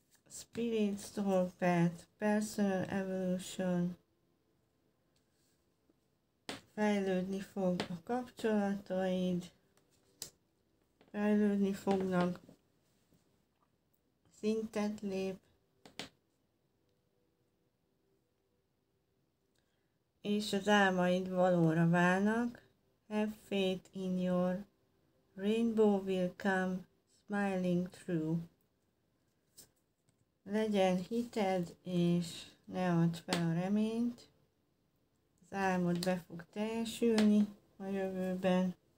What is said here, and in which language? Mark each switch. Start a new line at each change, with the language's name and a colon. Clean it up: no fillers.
English: Spirit soul path, personal evolution,
Hungarian: fejlődni fog a kapcsolataid, fejlődni fognak, szintet lép. És az álmaid valóra válnak.
English: Have faith in your rainbow will come smiling through.
Hungarian: Legyen hited, és ne add fel a reményt. Az álmod be fog teljesülni a jövőben.